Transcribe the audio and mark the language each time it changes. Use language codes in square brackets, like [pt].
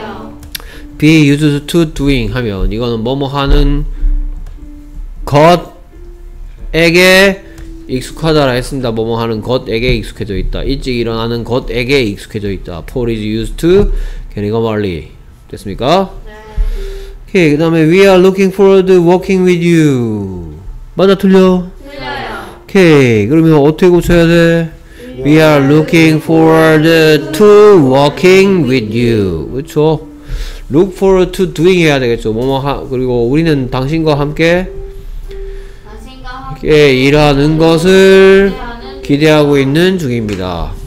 [ko] 맞아요. [en] Be used to doing [ko] 하면 이거는 뭐뭐 하는 것에게 익숙하다라 했습니다. 뭐뭐 하는 것에게 익숙해져 있다. 일찍 일어나는 것에게 익숙해져 있다. [en] Paul is used to getting up early. 됐습니까? [ko] 네. 오케이. 그 다음에 [en] We are looking forward to working with you. [ko] 맞아 틀려? 오케이. 그러면 어떻게 고쳐야 돼? [en] We are looking forward to working with you. 그렇죠? Look forward to doing [ko] 해야 되겠죠. 뭐뭐 그리고 우리는 당신과 함께 일하는 것을 기대하고 있는 중입니다.